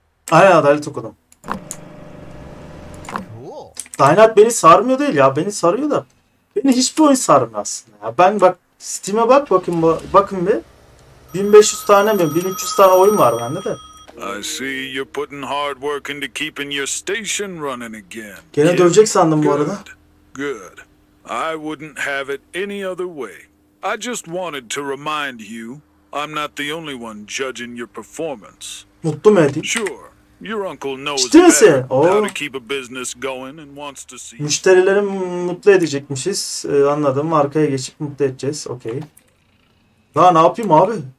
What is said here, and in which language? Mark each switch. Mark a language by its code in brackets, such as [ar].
[tr] Aynen, adalet okudum. Dynat beni sarmıyor değil ya. Beni sarıyor da. Beni hiçbir oyun sarmıyor aslında. Ya ben bak Steam'e bak bakayım. Bakın bir. 1500 tane mi? 1300 tane oyun var bende de. [en] I see you're putting hard work into keeping your station running again. [tr] Gene dövecek sandım bu arada. [en] Good. I wouldn't have it any other way. I just wanted to remind you I'm not the only one judging your performance. Mutlu mu edeyim? Sure. Your uncle knows how to keep a business going and wants to see. [tr] Müşterileri mutlu edecekmişiz. Anladım. Arkaya geçip mutlu edeceğiz. Okay. Ya ne yapayım abi?